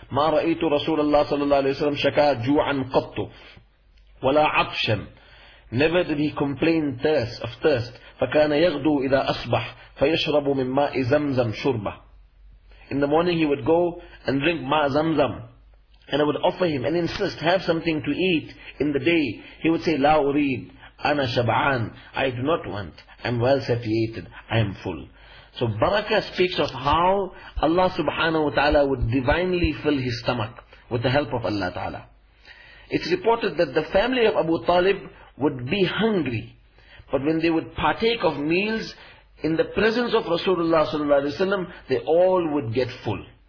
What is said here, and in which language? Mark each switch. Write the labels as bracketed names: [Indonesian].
[Arabic] مَا رَأَيْتُ رَسُولَ اللَّهِ صَلَى اللَّهِ عَلَيْهِ وَسَلَمْ شَكَى جُوعًا قَطُّ وَلَا عَطْشًا. [English] Never did he complain thirst of thirst. [Arabic] فَكَانَ يَغْدُو إِذَا أَصْبَحْ فَيَشْرَبُ مِنْ مَاءِ زَمْزَمْ شُرْبَةً. [English] In the morning he would go and drink ma zamzam. And I would offer him and insist, have something to eat in the day. He would say, [Arabic] لا أريد أنا شبعان. [English] I do not want. I'm well satiated. I am full. So Barakah speaks of how Allah subhanahu wa ta'ala would divinely fill his stomach with the help of Allah ta'ala. It's reported that the family of Abu Talib would be hungry, but when they would partake of meals in the presence of Rasulullah sallallahu alayhi wa sallam, they all would get full.